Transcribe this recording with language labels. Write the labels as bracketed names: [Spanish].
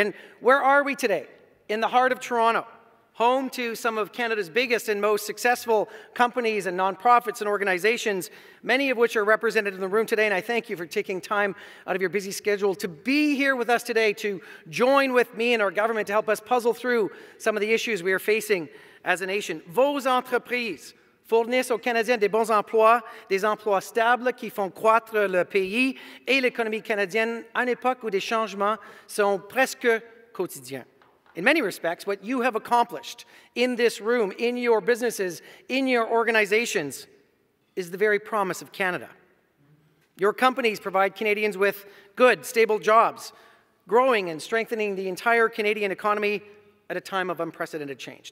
[English] And where are we today? In the heart of Toronto, home to some of Canada's biggest and most successful companies and nonprofits and organizations, many of which are represented in the room today, and I thank you for taking time out of your busy schedule to be here with us today, to join with me and our government to help us puzzle through some of the issues we are facing as a nation. [French] Vos entreprises fournissent aux Canadiens des bons emplois, des emplois stables qui font croître le pays et l'économie canadienne à une époque où des changements sont presque quotidiens. [English] In many respects, what you have accomplished in this room, in your businesses, in your organizations, is the very promise of Canada. Your companies provide Canadians with good, stable jobs, growing and strengthening the entire Canadian economy at a time of unprecedented change.